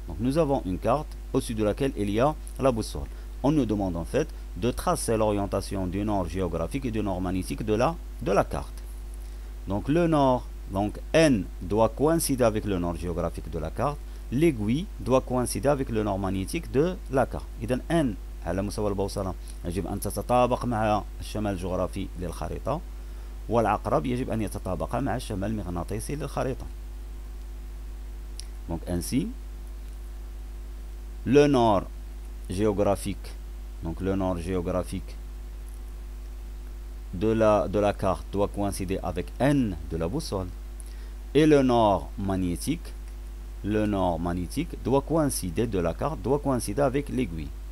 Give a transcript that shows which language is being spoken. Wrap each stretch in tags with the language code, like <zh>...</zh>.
<fr>Donc nous avons une carte au-dessus de laquelle il y a la boussole. On nous demande en fait de tracer l'orientation du nord géographique et du nord magnétique de la carte. Donc le nord, donc N doit coïncider avec le nord géographique de la carte. L'aiguille doit coïncider avec le nord magnétique de la carte. Donc N, à la moussa</fr> <ar>wal-bawsala, يجب أن تتطابق مع الشمال الجغرافي للخريطة. والعقرب يجب أن يتطابق مع الشمال المغناطيسي للخريطة.</ar> <fr>Donc ainsi, le nord géographique, donc le nord géographique de la carte doit coïncider avec N de la boussole. Et le nord magnétique doit coïncider de la carte, doit coïncider avec l'aiguille.</fr>